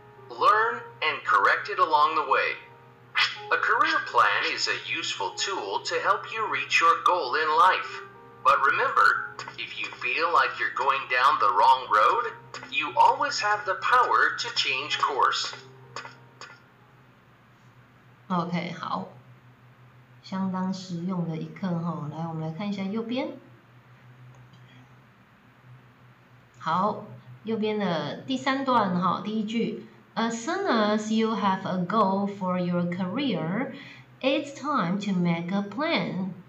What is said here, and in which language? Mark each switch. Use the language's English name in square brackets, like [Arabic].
[English] Learn and correct it along the way. A career plan is a useful tool to help you reach your goal in life. But remember, if you feel like you're going down the wrong road, you always have the power to change course. [Chinese] OK, 好，相当实用的一课哈。来，我们来看一下右边。好，右边的第三段哈，第一句。 [English] As soon as you have a goal for your career, it's time to make a plan.